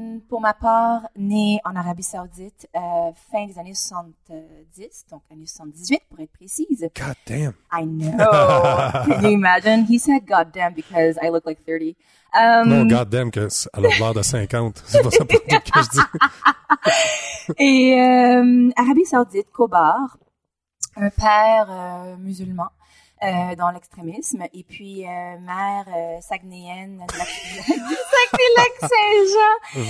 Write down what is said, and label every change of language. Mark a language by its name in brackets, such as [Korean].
[French] Pour ma part, née en Arabie Saoudite, fin des années 70, donc années 78 pour être précise. [English] God damn! I know! Can you imagine? He said god damn because I look like 30. [French] Non, [English] god damn, [French] qu'elle a l'air de 50. C'est pas ça pour tout que je dis. Et Arabie Saoudite, Kobar, un père musulman. Dans l'extrémisme, et puis mère saguenéenne de la Saguenay-Lac-Saint-Jean.